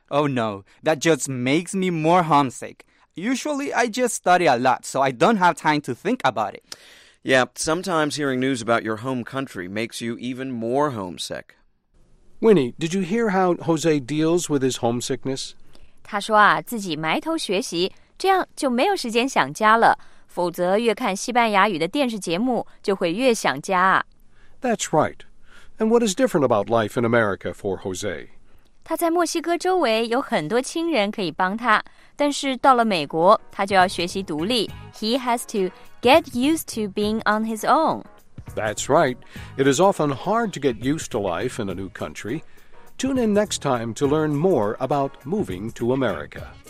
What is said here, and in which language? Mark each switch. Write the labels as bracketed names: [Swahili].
[English] Oh no, that just makes me more homesick. Usually I just study a lot, so I don't have time to think about it. Yeah, sometimes hearing news about your home country makes you even more homesick. Winnie, did you hear how Jose deals with his homesickness? [Chinese] 他说啊，自己埋头学习，这样就没有时间想家了。否则越看西班牙语的电视节目，就会越想家。 [English] That's right. And what is different about life in America for Jose? [Chinese] 他在墨西哥周围有很多亲人可以帮他，但是到了美国，他就要学习独立。 [English] He has to get used to being on his own. That's right. It is often hard to get used to life in a new country. Tune in next time to learn more about moving to America.